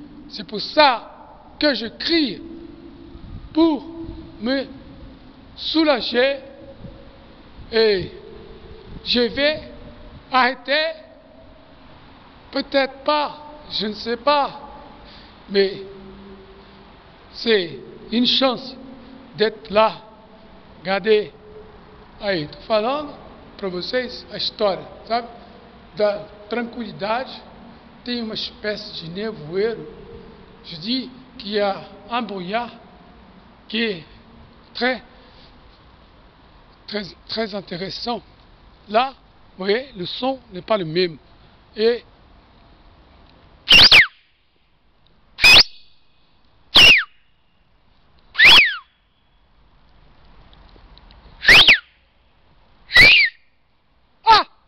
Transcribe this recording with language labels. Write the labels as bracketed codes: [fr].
[fr] C'est pour ça que je crie pour me soulager et je vais arrêter. Peut-être pas, je ne sais pas, mais C'est une chance d'être là. Regardez. [pt] Aí, tô falando para vocês a história, sabe? Da tranquilidade. Tem uma espécie de nevoeiro, [fr] je dis qu'il y a un brouillard qui est très, très, très intéressant. Là, vous voyez, le son n'est pas le même. Et ah!